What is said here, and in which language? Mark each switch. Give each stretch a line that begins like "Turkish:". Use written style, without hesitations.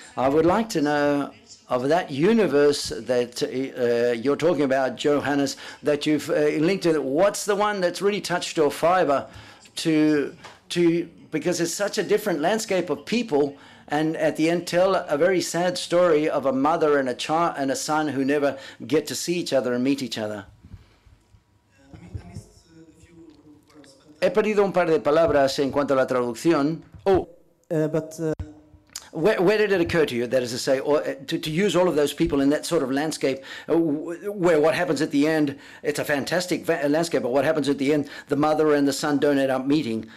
English: I would like to know of that universe that you're talking about, Johannes, that you've linked to, what's the one that's really touched your fiber to because it's such a different landscape of people, and at the end tell a very sad story of a mother and a child and a son who never get to see each other and meet each other.
Spanish: He perdido un par de palabras en cuanto a la traducción.
English: Oh, Where did it occur to you, that is to say, or to use all of those people in that sort of landscape where what happens at the end, it's a fantastic landscape, but what happens at the end, the mother and the son don't end up meeting.